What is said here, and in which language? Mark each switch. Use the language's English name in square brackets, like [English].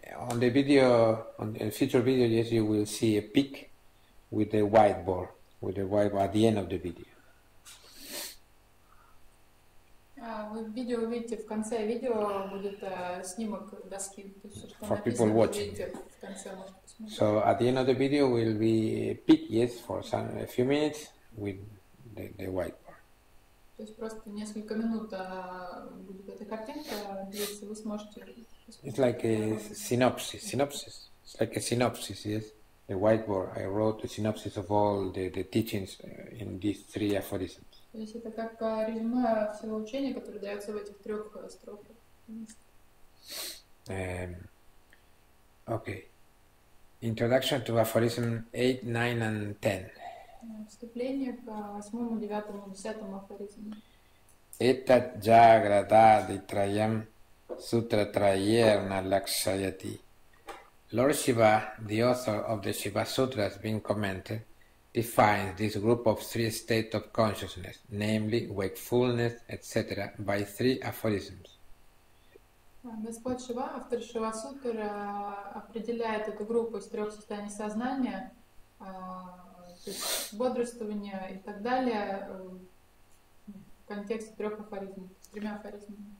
[English] On the video, on the future video, yes, you will see a peek with the whiteboard, with the whiteboard at the end of the video. [Russian] Вы в видео увидите, в конце видео будет снимок доски. [English] For people watching. So at the end of the video will be peak, yes, for some a few minutes with the whiteboard. [Russian] То есть просто несколько минут будет эта картинка, если вы сможете. [English] It's like a synopsis. It's like a synopsis, yes. The whiteboard. I wrote the synopsis of all the teachings in these three aphorisms. [Russian] То есть это как резюме всего учения, которое дается в этих трех строфах. [English] Okay. Introduction to aphorism 8, 9 and 10. [Russian] Вступление к восьмому, девятому, десятому афоризму. [Sanskrit] Это джаградади траям сутра траерна лакшаяти. [English] Lord Shiva, the author of the Shivasutras being commented, defines this group of three states of consciousness, namely wakefulness, etc., by three aphorisms. [Russian] Господь Шива, автор Шивасутр, определяет эту группу из трех состояний сознания, то есть бодрствования и так далее, в контексте трех афоризмов, тремя афоризмами.